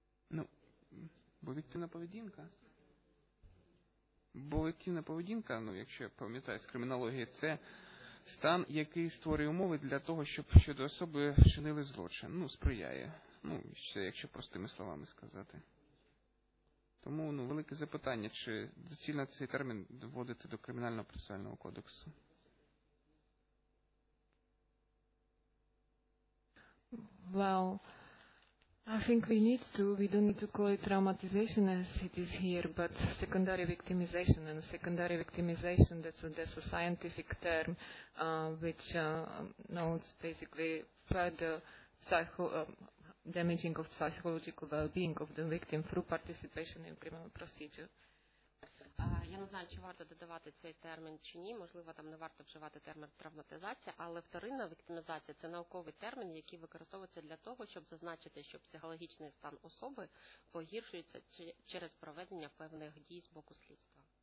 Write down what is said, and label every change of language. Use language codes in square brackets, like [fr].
[uk] Ну, бо віктивна поведінка. Бо активна поведінка, ну, якщо я пам'ятаю з кримінології, це стан, який створює умови для того, щоб щодо особи вчинили злочин. Ну, сприяє. Ну, ще, якщо простими словами сказати. Тому, ну, велике запитання, чи доцільно цей термін вводити до кримінального процесуального кодексу. [en] Well, I think we don't need to call it traumatization as it is here, but secondary victimization. And secondary victimization, that's a scientific term which notes basically further damaging of psychological well-being of the victim through participation in criminal procedure. [uk] Я не знаю, чи варто додавати цей термін чи ні, можливо, там не варто вживати термін травматизація, але вторинна віктимізація – це науковий термін, який використовується для того, щоб зазначити, що психологічний стан особи погіршується через проведення певних дій з боку слідства.